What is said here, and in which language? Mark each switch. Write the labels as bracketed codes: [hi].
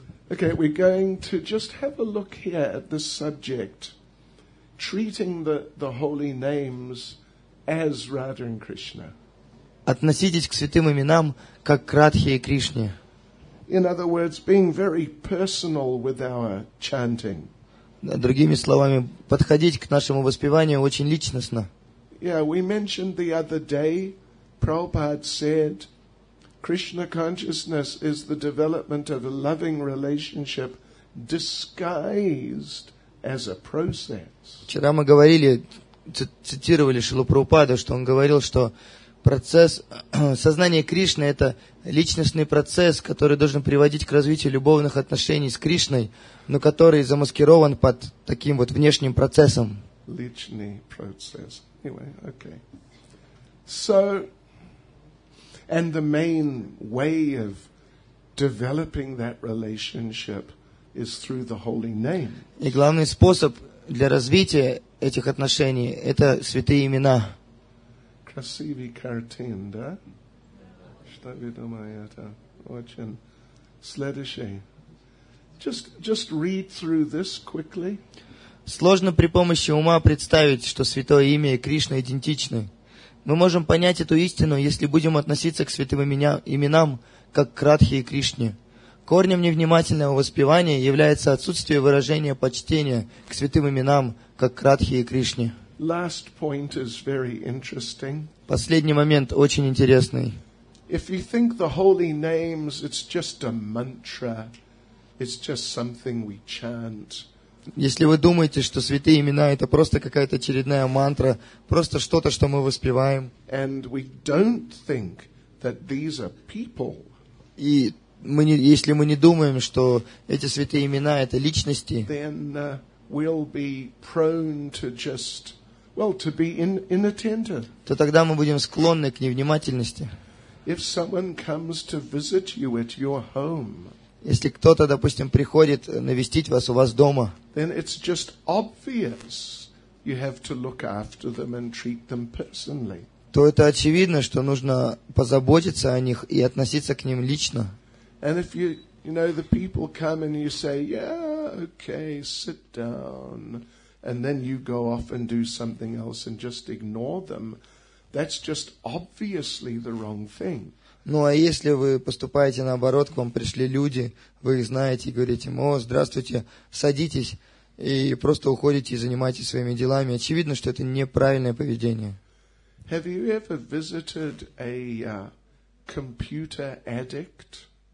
[en] Okay, we're going to just have a look here at this subject, treating the holy names as Radha and Krishna. [ru] Относитесь к святым именам как к Радхе и Кришне. [en] In other words, being very personal with our chanting. [ru] Другими словами, подходить к нашему воспеванию очень личностно. [en] Yeah, we mentioned the other day, Prabhupada said, Krishna consciousness is the development of a loving relationship disguised as a process. [ru] Вчера мы говорили, цитировали Шрилу Прабхупаду, что он говорил, что процесс сознания Кришны – это личностный процесс, который должен приводить к развитию любовных отношений с Кришной, но который замаскирован под таким вот внешним процессом. Личный процесс. [en] Anyway, okay. So, and the main way of developing that relationship is through the holy name. [ru] И главный способ для развития этих отношений – это святые имена. Красивый картин, да? Что вы думаете? Очень. Следующий. [en] Just read through this quickly. [ru] Сложно при помощи ума представить, что святое имя и Кришна идентичны. Мы можем понять эту истину, если будем относиться к святым именам, как к Радхе и Кришне. Корнем невнимательного воспевания является отсутствие выражения почтения к святым именам, как к Радхе и Кришне. [en] Last point is very interesting. [ru] Последний момент очень интересный. [en] If you think the holy names, it's just a mantra, it's just something we chant. [ru] Если вы думаете, что святые имена это просто какая-то очередная мантра, просто что-то, что мы воспеваем. [en] And we don't think that these are people. [ru] И мы не, если мы не думаем, что эти святые имена это личности. [en] Then we'll be prone to just well, to be inattentive. [ru] То тогда мы будем склонны к невнимательности. [en] If someone comes to visit you at your home, [ru] Если кто-то, допустим, приходит навестить вас у вас дома, [en] then it's just obvious you have to look after them and treat them personally. [ru] То это очевидно, что нужно позаботиться о них и относиться к ним лично. [en] And if you, you know, the people come and you say, yeah, okay, sit down, and then you go off and do something else and just ignore them, that's just obviously the wrong thing. [ru] Ну а если вы поступаете наоборот, к вам пришли люди, вы их знаете и говорите, о, здравствуйте, садитесь и просто уходите и занимайтесь своими делами, очевидно, что это неправильное поведение. [en] Have you ever visited a computer addict?